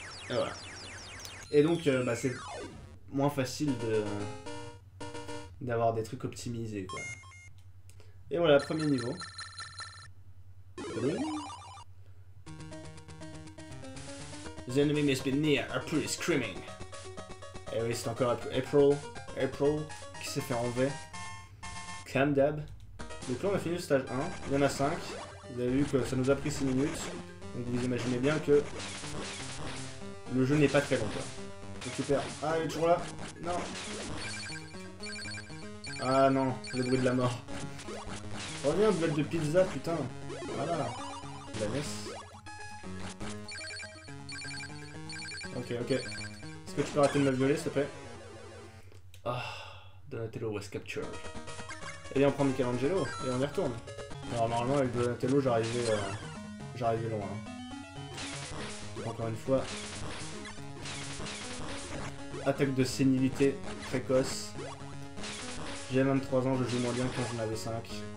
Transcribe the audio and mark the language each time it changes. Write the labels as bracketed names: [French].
[French] Et voilà. Et donc, c'est moins facile d'avoir des trucs optimisés, quoi. Et voilà, premier niveau. [English] The enemy must be near, April is screaming. [French] Et oui, c'est encore April, qui s'est fait enlever. Comme d'hab. Donc là, on a fini le stage 1, il y en a 5. Vous avez vu que ça nous a pris 6 minutes. Donc vous imaginez bien que le jeu n'est pas très long, quoi. Récupère. Ah, il est toujours là. Non. Ah non, le bruit de la mort. Reviens, boulette de pizza, putain. Voilà. La NES. Ok. Est-ce que tu peux arrêter de me violer, s'il te plaît? [English] Ah, oh, Donatello was captured. [French] Eh bien, on prend Michelangelo et on y retourne. Alors, normalement, avec Donatello, j'arrivais loin. Encore une fois. Attaque de sénilité précoce. J'ai 23 ans, je joue moins bien que quand j'en avais 5.